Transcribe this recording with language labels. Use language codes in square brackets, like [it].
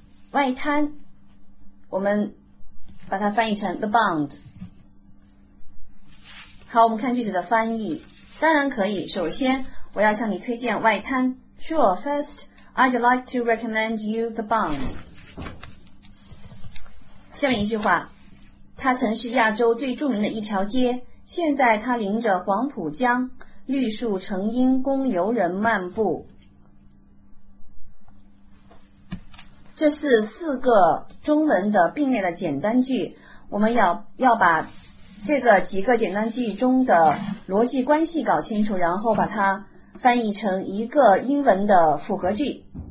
[zh] 外滩，我们把它翻译成 the bond。好，我们看句子的翻译。当然可以，首先我要向你推荐外滩。 [en] Sure, first I'd like to recommend you the bond。 [zh] 下面一句话，它曾是亚洲最著名的一条街，现在它临着黄浦江，绿树成荫，供游人漫步。这是四个中文的并列的简单句，我们要把这个几个简单句中的逻辑关系搞清楚，然后把它翻译成一个英文的复合句。